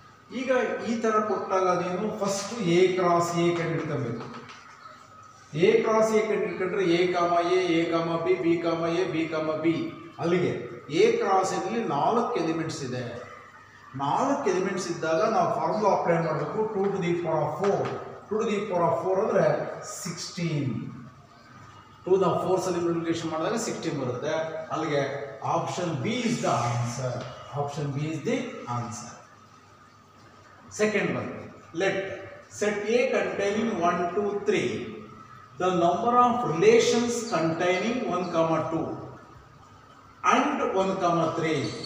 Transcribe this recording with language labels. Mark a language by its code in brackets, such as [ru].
[kn] ಈಗ ಈ ಥರ ಕೊಟ್ಟಾಗ ಅದೇನು, [en] first A cross A [kn] ಕಂಡಿಡ್ಕೊಬೇಕು. [en] A cross A [kn] ಕಂಡಿಡ್ಕೊಂಡ್ರೆ [en] A comma A comma B, B comma A, B comma B. [kn] ಅಲ್ಲಿಗೆ ಎ ಕ್ರಾಸಲ್ಲಿ 4 ಎಲಿಮೆಂಟ್ಸ್ ಇದೆ. 4 ಎಲಿಮೆಂಟ್ಸ್ ಇದ್ದಾಗ ನಾವು ಫಾರ್ಮುಲಾ ಅಪ್ಲೈ ಮಾಡಬೇಕು. [en] 2 to the power of 4, 2 to the power of 4 [kn] ಅಂದರೆ 16. [en] 2 to the 4 [kn] ಅಲ್ಲಿ multiplication ಮಾಡಿದಾಗ 16 ಬರುತ್ತೆ. ಅಲ್ಲಿಗೆ [en] Option B is the answer, option B is the answer. Second one, let set A containing 1, 2, 3, the number of relations containing 1, 2 and 1, 3.